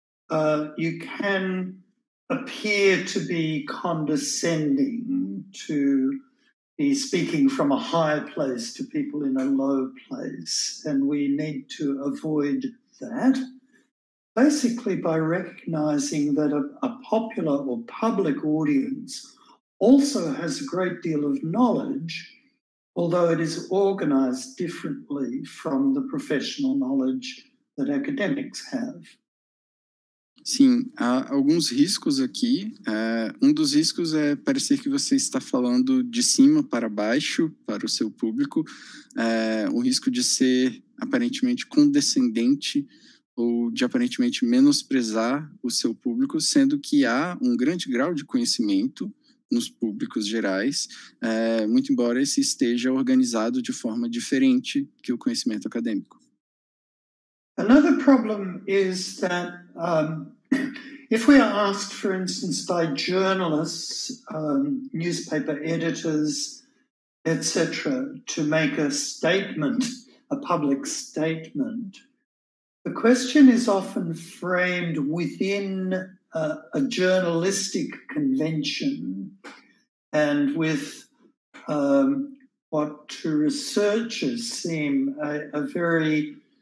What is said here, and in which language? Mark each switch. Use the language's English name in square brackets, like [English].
[English] You can appear to be condescending, to be speaking from a high place to people in a low place, and we need to avoid that, basically by recognizing that a popular or public audience also has a great deal of knowledge, although it is organized differently from the professional knowledge that academics have. [Portuguese] Sim, há alguns riscos aqui. Um dos riscos é parecer que você está falando de cima para baixo, para o seu público, o risco de ser aparentemente condescendente ou de aparentemente menosprezar o seu público, sendo que há um grande grau de conhecimento nos públicos gerais, muito embora esse esteja organizado de forma diferente que o conhecimento acadêmico. [English] Another problem is that if we are asked, for instance, by journalists, newspaper editors, etc., to make a statement, a public statement, the question is often framed within a journalistic convention and with what to researchers seem a very